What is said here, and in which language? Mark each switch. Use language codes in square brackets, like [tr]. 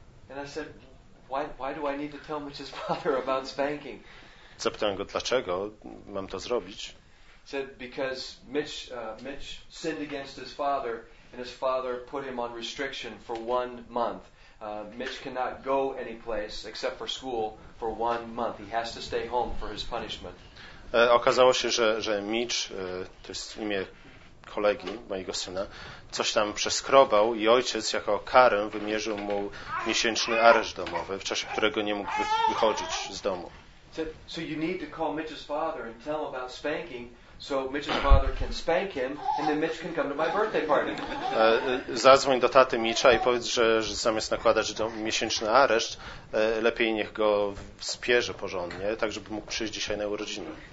[en] And I said, why do I need to tell Mitch's father about spanking? [pl] Zapytałem go, dlaczego mam to zrobić. [en] He said, because Mitch sinned against his father, and his father put him on restriction for 1 month. Mitch cannot go any place except for school for 1 month. He has to stay home for his punishment. [pl] Okazało się, że Mitch, to jest imię kolegi mojego syna, coś tam przeskrobał i ojciec jako karę wymierzył mu miesięczny areszt domowy, w czasie którego nie mógł wychodzić z domu. [en] So you need to call Mitch's father and tell him about spanking. So Mitch's father can spank him and then Mitch can come to my birthday party. [pl] Zadzwoń do taty Mitcha i powiedz, że zamiast nakładać miesięczny areszt, lepiej niech go spierze porządnie, tak żeby mógł przyjść dzisiaj na urodziny.